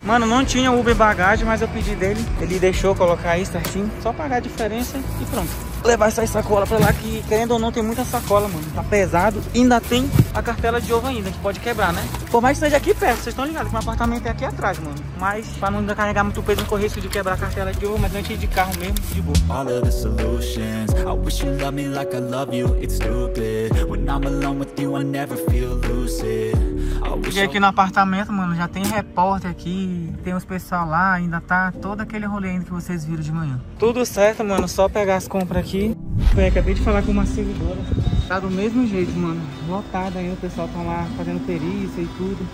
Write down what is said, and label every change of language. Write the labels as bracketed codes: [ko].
[pt] Mano, não tinha Uber bagagem, mas eu pedi dele. Ele deixou colocar aí certinho. Só pagar a diferença e pronto. levar essas sacolas pra lá, que querendo ou não, tem muita sacola, mano. Tá pesado. Ainda tem a cartela de ovo ainda, que pode quebrar, né? Por mais que seja aqui perto, vocês estão ligados que meu apartamento é aqui atrás, mano. Mas pra não carregar muito peso, não corre risco de quebrar a cartela de ovo, mas antes de carro mesmo, de boa. [en] All of the solutions, I wish you loved me like I love you, it's stupid. When I'm alone with you, I never feel lucid. [pt] Cheguei aqui no apartamento, mano, já tem repórter aqui, tem os pessoal lá, ainda tá todo aquele rolê ainda que vocês viram de manhã. Tudo certo, mano, só pegar as compras aqui. Eu acabei de falar com uma servidora, tá do mesmo jeito, mano, lotada aí, o pessoal tá lá fazendo perícia e tudo.